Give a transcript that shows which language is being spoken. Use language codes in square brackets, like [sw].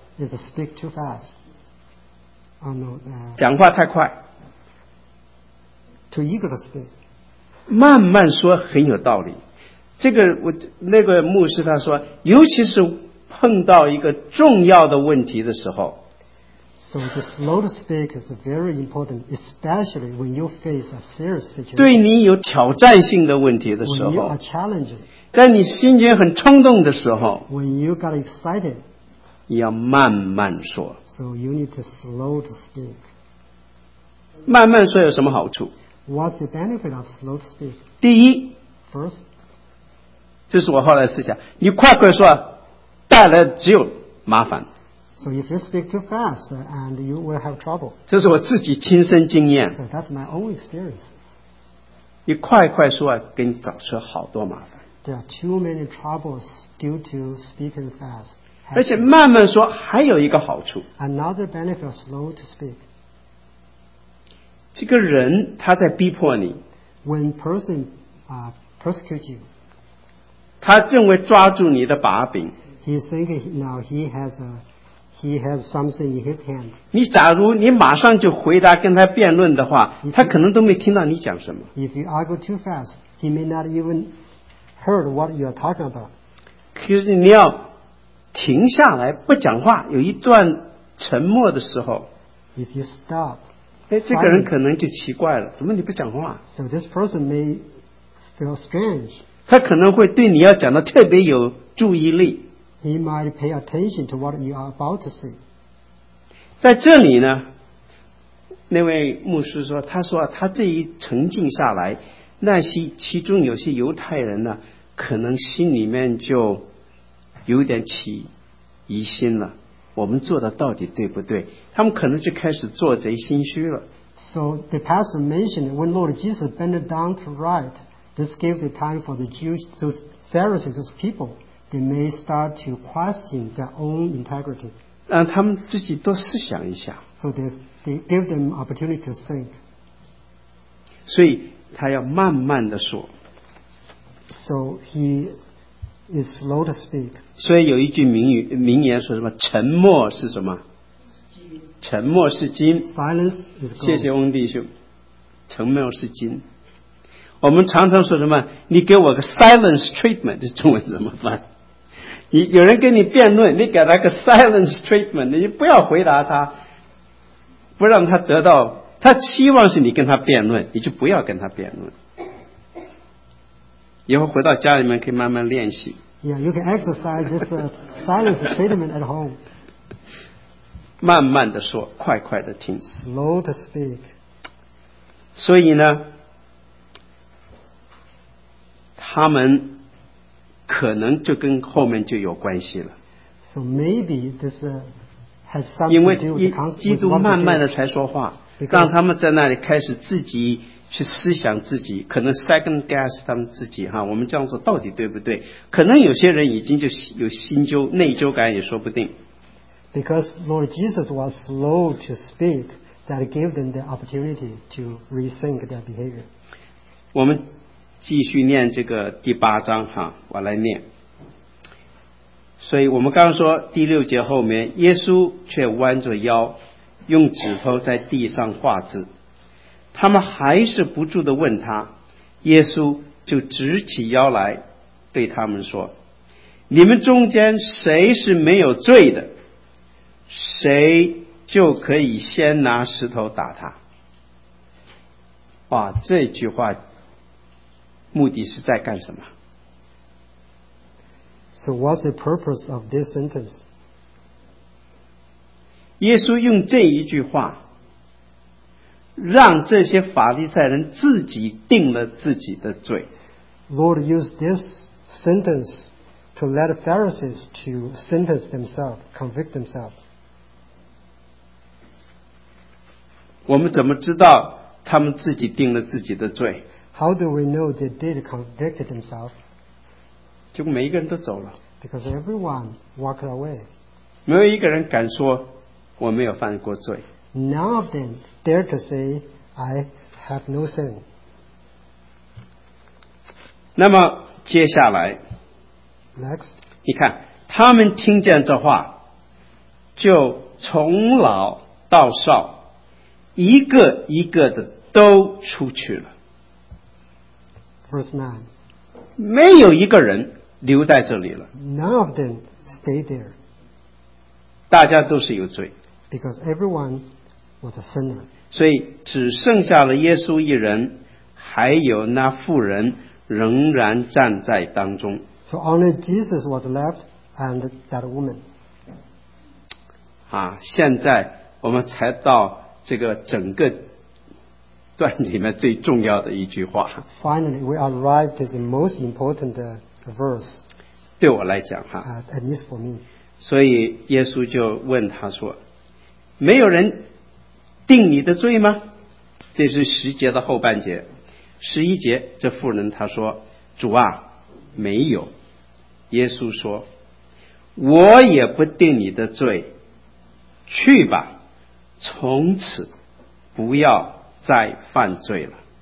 [en] Is to speak too fast. No. [zh] 讲话太快。 [en] Too eager to speak. [zh] 慢慢说很有道理。这个我那个牧师他说，尤其是碰到一个重要的问题的时候。 [en] So the slow to speak is very important, especially when you face a serious situation. [zh] 对你有挑战性的问题的时候。 [en] When you are challenging. [zh] 在你心情很冲动的时候。 [en] When you got excited. [zh] 要慢慢说。 [en] So you need to slow to speak. [zh] 慢慢说有什么好处？ [en] What's the benefit of slow to speak? [zh] 第一。 [en] First. [zh] 这是我后来思想。你快快说，带来只有麻烦。 [en] So if you speak too fast, and you will have trouble. [zh] 这是我自己亲身经验。 [en] So that's my own experience. [zh] 你快快说，给你找出好多麻烦。 [en] There are too many troubles due to speaking fast. [zh] 而且慢慢说还有一个好处。 [en] Another benefit of slow to speak. [zh] 这个人他在逼迫你。 [en] When person persecute you. [zh] 他认为抓住你的把柄。 [en] He is thinking now he has something in his hand. [zh] 你假如你马上就回答跟他辩论的话，他可能都没听到你讲什么。 [en] If you argue too fast, he may not even heard what you are talking about. [zh] 可是你要停下来不讲话，有一段沉默的时候。 [en] If you stop, [zh] 这个人可能就奇怪了，怎么你不讲话？ [en] So this person may feel strange. [zh] 他可能会对你要讲的特别有注意力。 [en] He might pay attention to what you are about to say. [zh] 在这里呢，那位牧师说，他说他这一沉静下来，那些其中有些犹太人呢，可能心里面就有点起疑心了。我们做的到底对不对？他们可能就开始做贼心虚了。 [en] So the pastor mentioned when Lord Jesus bent down to write, this gave the time for the Jews, those Pharisees, those people. They may start to question their own integrity. [zh] 让他们自己多思想一下。 [en] So they give them opportunity to think. [zh] 所以他要慢慢的说。 [en] So he is slow to speak. [zh] 所以有一句名言说什么？沉默是什么？沉默是金。 [en] Silence is gold. [zh] 谢谢翁弟兄。沉默是金。我们常常说什么？你给我个 [en] silence treatment， [zh] 这中文怎么翻？有人跟你辩论，你给他个 silence treatment， 你不要回答他，不让他得到，他希望是你跟他辩论，你就不要跟他辩论。以后回到家里面可以慢慢练习。 [en] Yeah, you can exercise this silence treatment at home. [zh] 慢慢的说，快快的听。 [en] Slow to speak. [zh] 所以呢，他们。可能就跟后面就有关系了。 [en] So maybe this has something to do with the [zh] 基督慢慢的才说话，让他们在那里开始自己去思想自己，可能 [en] second guess [zh] 他们自己哈，我们这样说到底对不对？可能有些人已经就有心究内疚感也说不定。 [en] Because Lord Jesus was slow to speak, that gave them the opportunity to rethink their behavior. [zh] 我们继续念这个第八章哈，我来念。所以我们刚刚说第六节后面，耶稣却弯着腰，用指头在地上画字。他们还是不住地问他，耶稣就直起腰来对他们说，你们中间谁是没有罪的，谁就可以先拿石头打他。哇，这句话目的是在干什么？ [en] So what's the purpose of this sentence? [zh] 耶稣用这一句话让这些法利赛人自己定了自己的罪。 [en] Lord used this sentence to let Pharisees to sentence themselves, convict themselves. [zh] 我们怎么知道他们自己定了自己的罪？ [en] How do we know they did convict themselves? [zh] 结果每一个人都走了。 [en] Because everyone walked away. [zh] 没有一个人敢说我没有犯过罪。 [en] None of them dare to say, I have no sin. [zh] 那么接下来 [en] Next, [zh] 你看他们听见这话就从老到少一个一个的都出去了。 [en] First man, [zh] 没有一个人留在这里了。 [en] None of them stay there. [zh] 大家都是有罪。 [en] Because everyone was a sinner. [zh] 所以只剩下了耶稣一人，还有那妇人仍然站在当中。 [en] So only Jesus was left and that woman. [zh] 啊，现在我们才到这个整个段里面最重要的一句话。 [en] Finally, we arrived to the most important verse. [zh] 对我来讲哈， [en] at least for me. [zh] 所以耶稣就问他说，没有人定你的罪吗？这是十节的后半节。十一节，这妇人她说，主啊，没有。耶稣说，我也不定你的罪，去吧，从此不要再犯罪了。